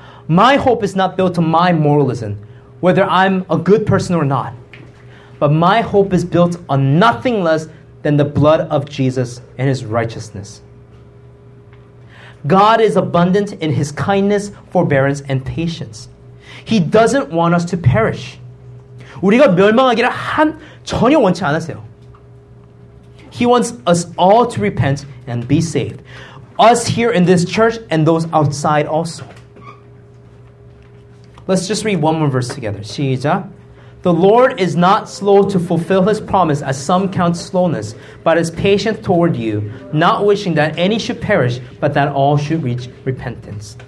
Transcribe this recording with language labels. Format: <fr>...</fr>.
<en>My hope is not built on my moralism, whether I'm a good person or not. But my hope is built on nothing less than the blood of Jesus and His righteousness. God is abundant in His kindness, forbearance, and patience. He doesn't want us to perish.</en> <ko>우리가 멸망하기를 전혀 원치 않으세요.</ko> <en>He wants us all to repent and be saved. Us here in this church and those outside also. Let's just read one more verse together. 시작. The Lord is not slow to fulfill His promise as some count slowness, but is patient toward you, not wishing that any should perish, but that all should reach repentance.</en>